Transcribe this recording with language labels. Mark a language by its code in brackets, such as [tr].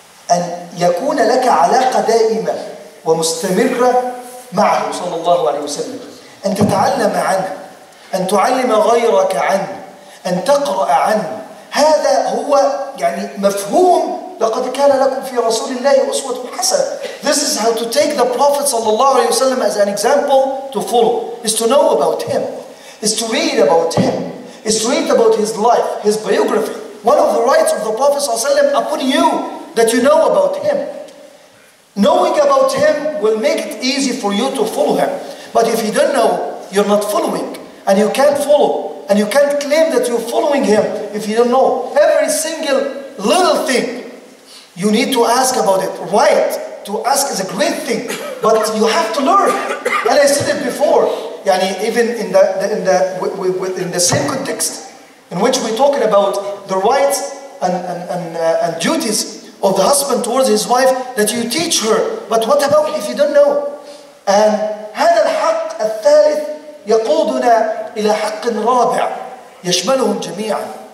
[ar] أن يكون لك علاقة دائمة ومستمرة معه صلى الله عليه وسلم, أن تتعلم عنه, أن تعلم غيرك عنه, أن تقرأ عنه. هذا هو يعني مفهوم لقد كان لكم في رسول الله أسوة حسنة. [en] This is how to take the Prophet صلى الله عليه وسلم as an example to follow, is to know about him, is to read about him, is to read about his life, his biography. One of the rights of the Prophet صلى الله عليه وسلم upon you that you know about him. Knowing about him will make it easy for you to follow him. But if you don't know, you're not following. And you can't follow, and you can't claim that you're following him if you don't know. Every single little thing, you need to ask about it. Right, to ask is a great thing, but you have to learn. And I said it before, yani even in the same context in which we're talking about the rights and duties of the husband towards his wife, that you teach her. But what about if you don't know? [ar] And هذا الحق الثالث يقودنا إلى حق رابع يشملهم جميعا.